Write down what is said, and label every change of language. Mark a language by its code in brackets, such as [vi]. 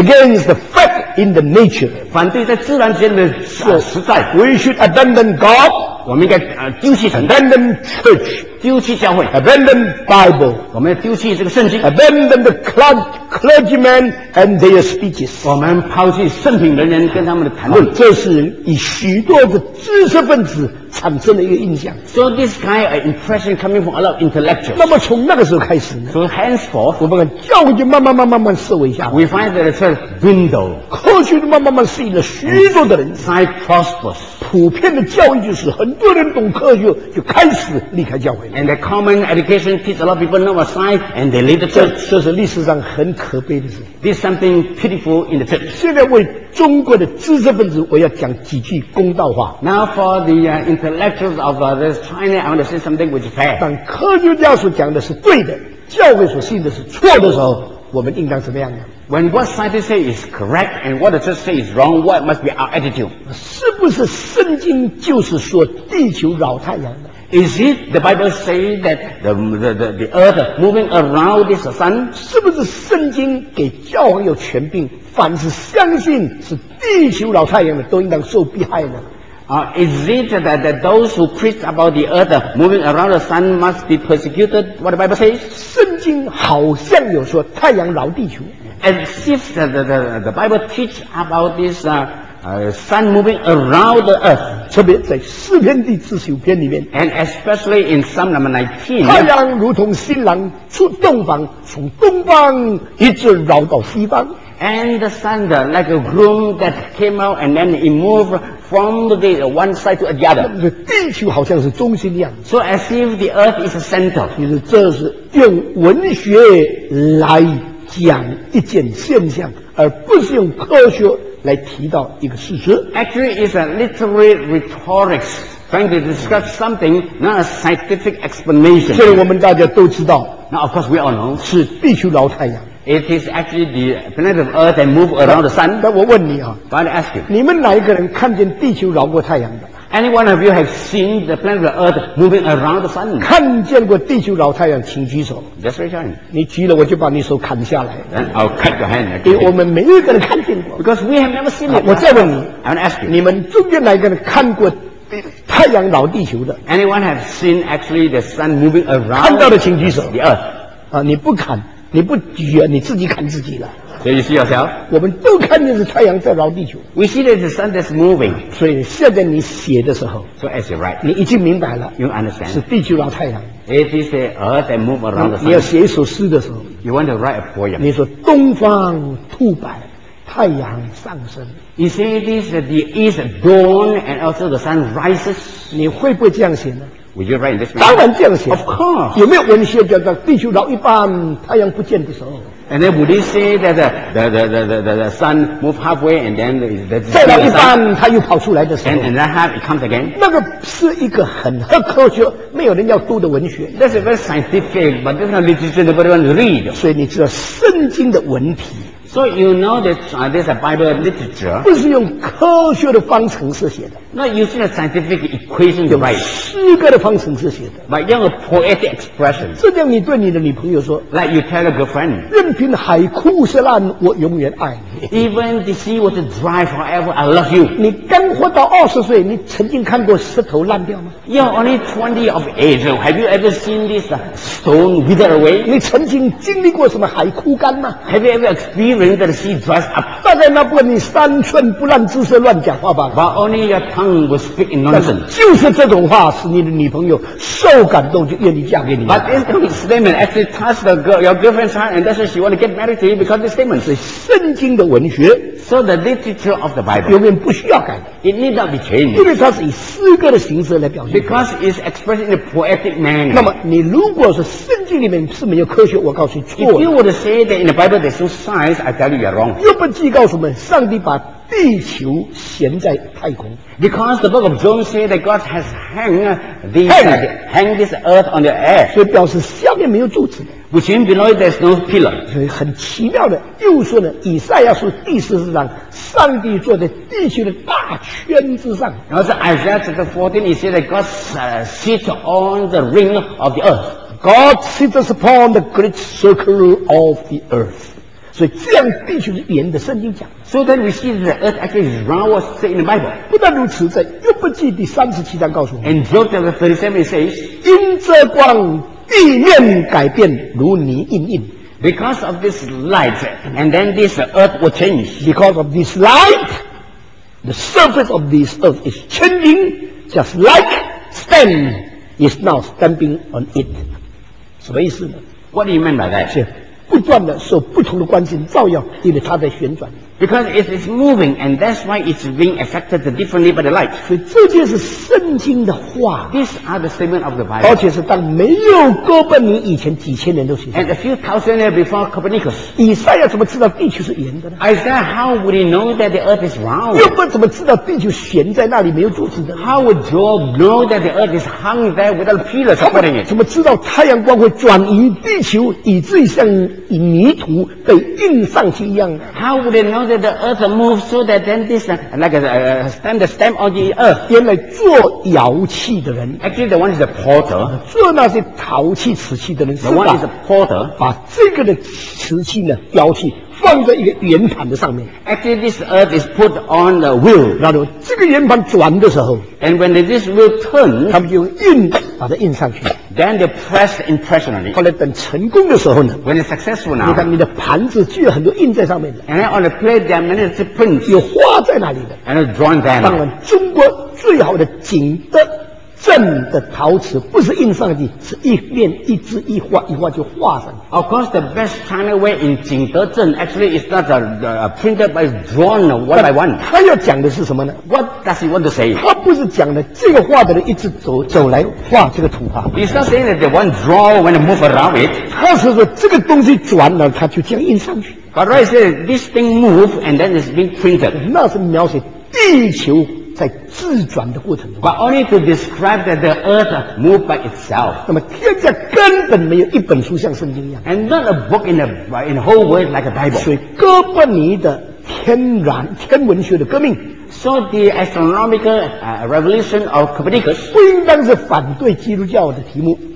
[en] against the fact in the nature [zh] 反对在自然间的实在 [en] we should abandon God [zh] 我们应该丢弃神 [en] abandon church [zh] 丢弃教会 [en] abandon Bible [zh] 我们要丢弃这个圣经 [en] abandon the clergymen and their speeches [zh] 我们抛弃圣品人员跟他们的谈论这是以许多的知识分子产生的一个印象 [en] so this kind of impression coming from a lot of intellectuals [zh] 那么从那个时候开始呢 [en] so henceforth [zh] 我们教会就慢慢思维一下 [en] we find that it's a window [zh] 过去就慢慢吸引了许多的人 [en] side prosperous [zh] 普遍的教育就是很多人懂科学就开始离开教会 [en] and the common education teach a lot of people know about science and they leave the church [zh] 这是历史上很可悲的事 [en] this is something pitiful in the church [zh] 现在为中国的知识分子我要讲几句公道话 [en] now for the intellectuals of this China, I want to say something which is fair. [zh] 当科学家所讲的是对的，教会所信的是错的时候，我们应当怎么样呢？ [en] When what scientists say is correct and what the church say is wrong, what must be our attitude? [zh] 是不是圣经就是说地球绕太阳的？ [en] Is it the Bible saying that the earth moving around this sun? [zh] 是不是圣经给教会有权柄，凡是相信是地球绕太阳的，都应当受迫害呢？ [en] Is it that those who preach about the earth moving around the sun must be persecuted? What the Bible says? [zh] 圣经好像有说太阳绕地球。 [en] And since the Bible teach about this sun moving around the earth, [zh] 特别在诗篇第四十九篇里面 [en] ，and especially in Psalm number 19, [zh] 太阳如同新郎出洞房，从东方一直绕到西方。 [en] And the sun like a groom that came out and then it moved from the one side to the other. [zh] 地球好像是中心一样。 [en] So as if the earth is a center. [zh] 其实这是用文学来讲一件现象，而不是用科学来提到一个事实。 [en] Actually, it's a literary rhetorics trying to discuss something, not a scientific explanation. [zh] 所以我们大家都知道。 [en] Now, of course, we all know. [zh] 是地球绕太阳。 [en] It is actually the planet of Earth that move around the sun. [zh] 那我问你啊 [en] ，But I ask you， [zh] 你们哪一个人看见地球绕过太阳的 [en] ？Any one of you have seen the planet of Earth moving around the sun？ [zh] 看见过地球绕太阳，请举手。 [en] Just raise your hand。 [zh] 你举了，我就把你手砍下来。 [en] Then I'll cut your hand。 [zh] 因为我们没一个人看见过。 [en] Because we have never seen it。 [zh] 我再问你 [en] ，I want to ask you， [zh] 你们中间哪一个人看过太阳绕地球的 [en] ？Anyone have seen actually the sun moving around？ [zh] 看到的请举手。第二，啊，你不砍。你不举啊，你自己砍自己了。 [en] So you see yourself? [zh] 我们都看见是太阳在绕地球。 [en] We see that the sun is moving. [zh] 所以现在你写的时候 [en] ，So as you write, [zh] 你已经明白了。 [en] You understand? [zh] 是地球绕太阳。 [en] It is the earth that move around the sun. [zh] 你要写一首诗的时候 [en] ，You want to write a poem. [zh] 你说东方吐白，太阳上升。 [en] You say this that the east dawn and also the sun rises. [zh] 你会不会这样写呢？ [en] Would you write in this manner? [zh] 当然这样写。 [en] Of course. [zh] 有没有文学叫做地球绕一半，太阳不见的时候 [en] ？And then would they say that the sun move halfway and then the [zh] 再绕一半，它又跑出来的时候 [en] ？And that half it comes again. [zh] 那个是一个很科学，没有人要读的文学。 [en] That's a very scientific, but this is not literature that everyone read. [zh] 所以你知道圣经的文体。 [en] So you know that this Bible literature [zh] 不是用科学的方程式写的 [en] Not using a scientific equation to write [zh] 诗歌的方程式写的 [en] But [zh] 用 [en] a poetic expression [zh] 这样你对你的女朋友说 [en] Like you tell a girlfriend [zh] 任凭海枯石烂我永远爱你 [en] Even the sea was dry forever I love you [zh] 你刚活到二十岁你曾经看过石头烂掉吗 [en] You're only 20 of age Have you ever seen this stone wither away [zh] 你曾经经历过什么海枯干吗 [en] Have you ever experienced [zh] 大概那不你三寸不烂之舌乱讲话吧。 [en] But only your tongue tongue was speaking nonsense. [zh] 就是这种话使你的女朋友受感动就愿意嫁给你。 [en] But this statement actually touched the girl, your girlfriend's heart, and that's why she want to get married to you because this statement. [zh] 是圣经的文学。 [en] So the literature of the Bible. [zh] 永远不需要改。 [en] It need not be changed. [zh] 因为它是以诗歌的形式来表现。 [en] Because it's expressed in a poetic manner. [zh] 那么你如果是圣经里面是没有科学，我告诉你错了。 [en] If you were to say that in the Bible there's no science, I tell you you're wrong. [zh] 约伯记告诉我们，上帝把地球悬在太空。 [en] Because the book of Job says that God has hanged this earth on the air. [zh] 所以表示下面没有柱子。 [en] Which means below it there's no pillar. [zh] 所以很奇妙的，又说呢，以赛亚书第四十章，上帝坐在地球的大圈之上。然后在 [en] Isaiah chapter 14, he says that God sits on the ring of the earth. God sits upon the great circle of the earth. [zh] 所以这样地球是圆的，圣经讲。 [en] So then we see the earth actually is round, what's said in the Bible. [zh] 不但如此，在约伯记第三十七章告诉我们。 [en] And Job chapter 37 says, [zh] 因这光，地面改变如泥印印。 [en] Because of this light, and then this earth will change. Because of this light, the surface of this earth is changing, just like sand is now stamping on it. [zh] 什么意思呢？ [en] What do you mean by that? [zh] 不断的受不同的光线照耀，因为它在旋转。 [en] Because it is moving, and that's why it's being affected differently by the light. [zh] 所以这就是圣经的话。 [en] These are the statement of the Bible. [zh] 而且是当没有哥本尼以前几千年都行。 [en] And a few thousand years before Copernicus. [zh] 以赛亚怎么知道地球是圆的呢？ [en] Isaiah, how would he know that the earth is round? [zh] 约伯怎么知道地球悬在那里没有柱子的呢？ [en] How would Job know that the earth is hung there without pillars supporting it? [zh] 怎么知道太阳光会转移地球，以至于像泥土被印上去一样呢？ [en] How would he know? That the earth moves so that then this like a stamp on the earth. [zh] 原来做窑器的人 [en] actually the one is a porter. [zh] 做那些陶器、瓷器的人 [en] the one is a porter. [zh] 把这个的瓷器呢雕器放在一个圆盘的上面 [en] actually this earth is put on the wheel. [zh] 然后这个圆盘转的时候 [en] and when this wheel turns, [zh] 他们就印把它印上去 [en] then they press impressionally. [zh] 后来等成功的时候呢 [en] when it's successful now, [zh] 你看你的盘子具有很多印在上面的 [en] and on the plate there are many prints. [zh] 有画在那里的 [en] and it's drawn down. [zh] 当然中国最好的景德镇的陶瓷不是印上去，是一面一字一画一画就画上。 [en] Of course, the best China way in 景德镇 actually is not a printed, but drawn one by one. [zh] 他要讲的是什么呢 [en] ？What does he want to say? [zh] 他不是讲的这个画的人一直走来画这个图画。 [en] He's not saying that the one draw when they move around it. [zh] 他是说这个东西转了，他就这样印上去。 [en] But right, say this thing move and then it's being printed. [zh] 那是描写地球。在自转的过程中 [en] but only to describe that the earth moved by itself [zh] 那么天下根本没有一本书像圣经一样 [en] and not a book in the whole world like a Bible [zh] 所以哥本尼的天文学的革命 [en] so the astronomical revolution of Copernicus [zh] 不应当是反对基督教的题目